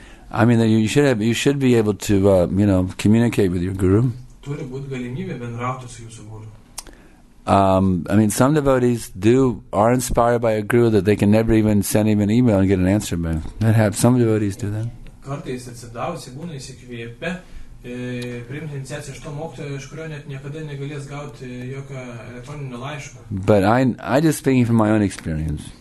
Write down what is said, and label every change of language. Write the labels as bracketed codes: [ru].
[en] I mean, you should be able to, communicate with your guru. [lt] Turi būti galimybė bendrauti su jūsų guru. [en] I mean, some devotees are inspired by a guru that they can never even send him an email and get an answer back. That happens. Some devotees do that. [lt] Kartais atsidavusi būna įsikvėpę priimti iniciaciją iš to mokto, iš kurio net niekada negalės gauti jokio elektroninio laiško. [en] But I just speaking from my own experience.